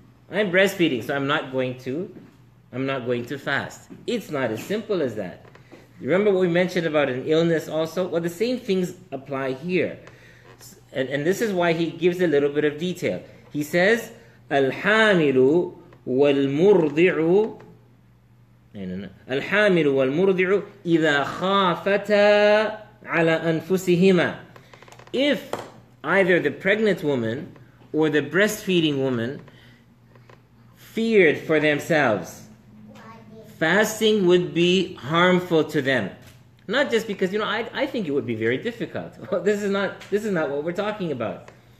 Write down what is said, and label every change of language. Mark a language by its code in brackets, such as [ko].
[en] I'm breastfeeding, so I'm not going to fast. It's not as simple as that. Remember what we mentioned about an illness also? Well, the same things apply here. And this is why he gives a little bit of detail. He says, [ar] الحاملُ والمرضعُ. الحامل والمرضع إذا خافتا على أنفسهما. [en] If either the pregnant woman or the breastfeeding woman feared for themselves, fasting would be harmful to them. Not just because, you know, I think it would be very difficult. Well, this is not what we're talking about.